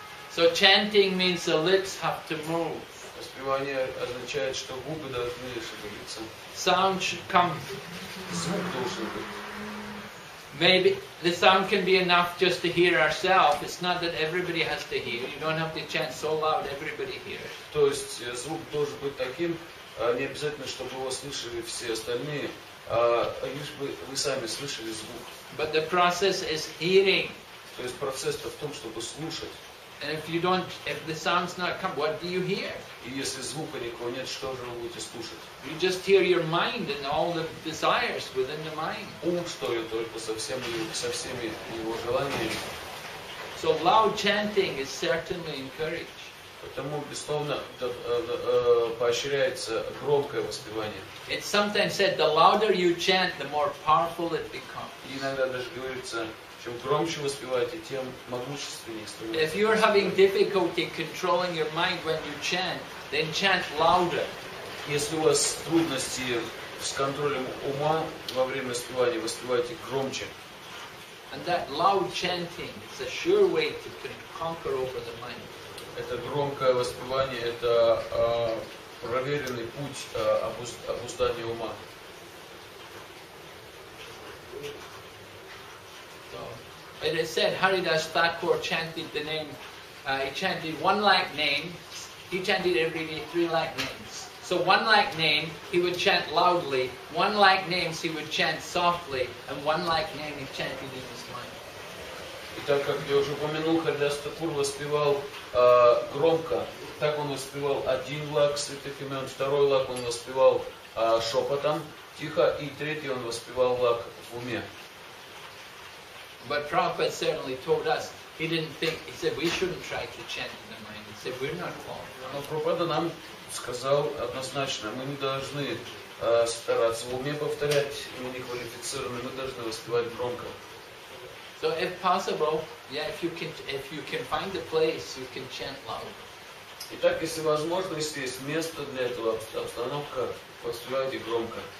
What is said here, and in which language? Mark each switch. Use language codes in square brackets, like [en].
[en] So chanting means the lips have to move. [ru] Воспевание означает, что губы должны шевелиться. [en] Sound should come. [ru] Звук должен быть. [en] Maybe the sound can be enough just to hear ourselves. It's not that everybody has to hear. You don't have to chant so loud everybody hears. [ru] То есть звук должен быть таким, не обязательно, чтобы его слышали все остальные, а лишь бы вы сами слышали звук. [en] But the process is hearing. [ru] То есть процесс-то в том, чтобы слушать. [en] And if the sound's not coming, what do you hear? [ru] И если звука никого нет, что же вы будете слушать? [en] You just hear your mind and all the desires within the mind. [ru] Ум стоит только со всеми его желаниями. [en] So loud chanting is certainly encouraged. [ru] Потому, безусловно, поощряется громкое воспевание. [en] It's sometimes said, the louder you chant, the more powerful it becomes. [ru] Иногда даже говорится, чем громче воспеваете, тем могущественнее становится. [en] If you're having difficulty controlling your mind when you chant, then chant louder. [ru] Если у вас трудности с контролем ума во время воспевания, воспевайте громче. [en] And that loud chanting is a sure way to conquer over the mind. [ru] Это громкое воспевание – это проверенный путь обуздания ума. [en] And it said Haridas Thakur chanted the name, he chanted one like name, he chanted every day three like names. So one like name he would chant loudly, one like names he would chant softly, and one like name he chanted in his mind. [ru] И так как я уже упомянул, Харидас Такур воспевал громко, так он воспевал один лак святых имен, второй лак он воспевал шепотом, тихо, и третий он воспевал лак в уме. [en] But Prabhupada certainly told us, he didn't think, he said, we shouldn't try to chant in the mind. He said, we're not qualified. [ru] Но Прабхупада нам сказал однозначно, мы не должны стараться в уме повторять, мы не квалифицированы, мы должны воспевать громко. [en] So if possible, yeah, if you can find a place, you can chant loud. [ru] Итак, если возможно, если есть место для этого, обстановка, воспевайте громко.